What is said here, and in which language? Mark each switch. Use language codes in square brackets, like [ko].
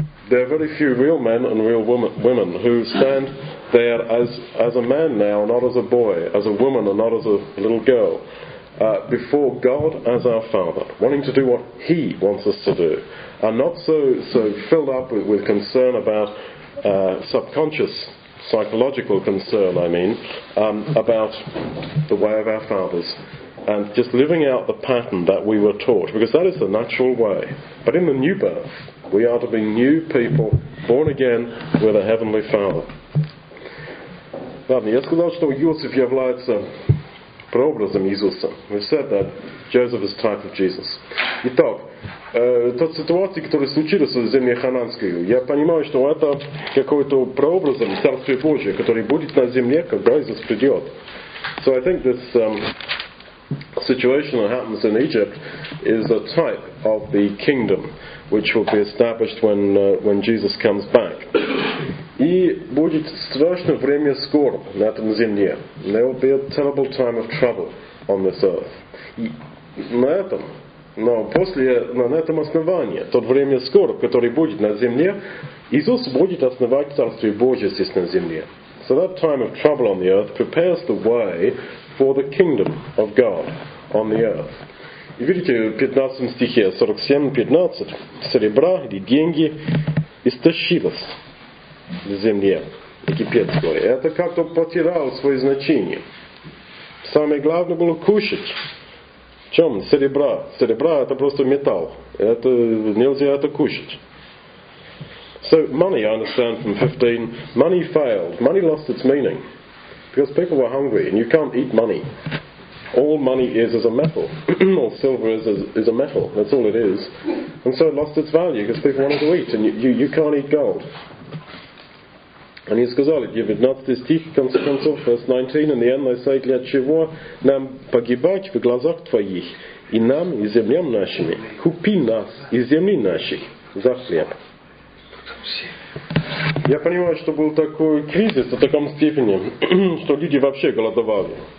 [en] There are very few real men and real women who stand there as a man now, not as a boy, as a woman and not as a little girl, before God as our Father, wanting to do what He wants us to do, and not so filled up with concern about subconscious, psychological concern, about the way of our fathers, and just living out the pattern that we were taught, because that is the natural way. But in the new birth, we are to be new people, born again with a heavenly Father. [ru] Ладно, я сказал, что Иосиф является прообразом Иисуса. [en] We said that Joseph is type of Jesus. [ru] Итак, та ситуация, которая случилась в земле Хананской, я понимаю, что это какой-то прообразом Царствия Божия, который будет на земле, когда Иисус придет. [en] So I think this situation that happens in Egypt is a type of the kingdom which will be established when Jesus comes back. [ru] И будет страшное время скорб на этом земле. [en] There will be a terrible time of trouble on this earth. [ru] На этом основании, то время скорб, который будет на земле, Иисус будет основать Царствие Божие здесь на земле. [en] So that time of trouble on the earth prepares the way for the kingdom of God on the earth. [ru] И видите, в 15 стихе, 47-15, серебра или деньги истощилось на земле египетской. Это как-то потеряло свои значения. Самое главное было кушать. В чем? Серебра. Серебра это просто металл. Это нельзя это кушать. [en] So money, I understand from 15, money failed. Money lost its meaning. Because people were hungry and you can't eat money. All money is a metal. All silver is a metal. That's all it is. And so it lost its value because people wanted to eat and you can't eat gold. [ru] Они сказали, 19 стих, в конце концов, [en] verse 19, in the end they say, [ru] для чего нам погибать в глазах твоих, и нам, и землям нашими, купи нас, и земли наших, за хлеб. Я понимаю, что был такой кризис в таком степени, что люди вообще голодовали.